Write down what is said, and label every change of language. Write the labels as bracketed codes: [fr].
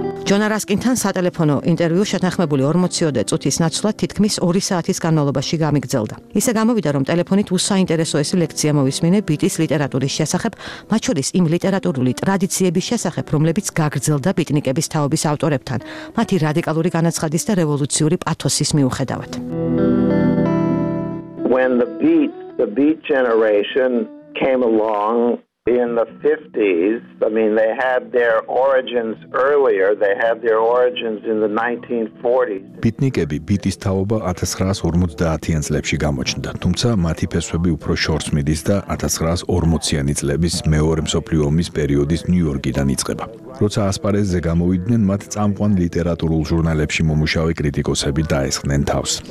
[ka] ჯონა რასკინთან სატელეფონო ინტერვიუ შეთანხმებული 40-ოდე წუთის ნაცვლად თითქმის 2 საათის განმავლობაში გამიგრძელდა. ისე გამოვიდა, რომ ტელეფონით უსაინტერესო ეს ლექცია მოვისმინე ბიტის ლიტერატურის შესახებ, მათ შორის იმ ლიტერატურული ტრადიციების შესახებ, რომლებიც გაგრძელდა ბიტნიკების თაობის ავტორებთან, მათი რადიკალური განაცხადის და რევოლუციური პათოსის მიუხედავად. [en] When the beat generation came along in the 50s, I mean, they had their origins earlier, they had their origins in the 1940s. [ka] ბიტნიკები ბიტის თაობა 1950-იან წლებში გამოჩნდა, თუმცა მათი ფესვები უფრო შორს მიდის და 1940-იანი წლების მეორე მსოფლიო ომის პერიოდის ნიუ-იორკიდან იწყება. როცა ასპარეზზე გამოვიდნენ, მათ წამყვან ლიტერატურულ ჟურნალებში მომუშავე კრიტიკოსები დაესხნენ თავს.